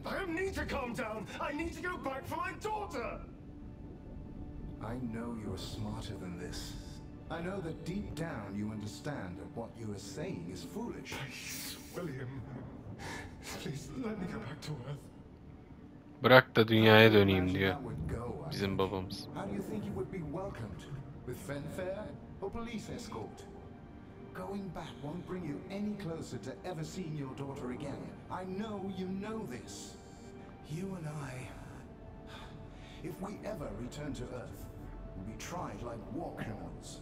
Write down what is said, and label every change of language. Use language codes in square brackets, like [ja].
[en] I don't need to calm down. I need to go back for my daughter. I know you're smarter than this. I know that deep down you understand that what you are saying is foolish. Please, William. Please let me go back to Earth. [tr] Bırak da dünyaya döneyim diyor. Bizim babamız. [en] How do you think you would be welcomed? With fanfare or police escort? Going back won't bring you any closer to ever seeing your daughter again. I know you know this. You and I, if we ever return to Earth, be tried like war criminals.